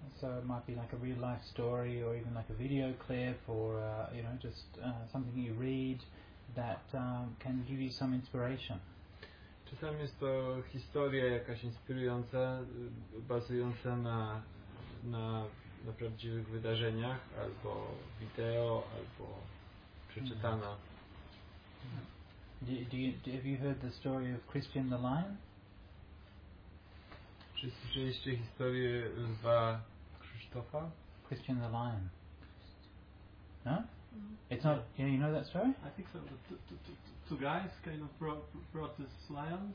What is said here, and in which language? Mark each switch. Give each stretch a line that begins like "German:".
English: So it might be like a real life story, or even like a video clip, or something you read that can give you some inspiration.
Polish: Czasami jest to historia jakaś inspirująca, bazująca na prawdziwych wydarzeniach, albo wideo, albo przeczytana.
English: Have you heard the story of Christian the Lion?
Polish: Czy słyszeliście historię lwa Krzysztofa?
English: Christian the Lion. No? It's not. Yeah, you know that story? I think so. The two guys kind of brought this lion.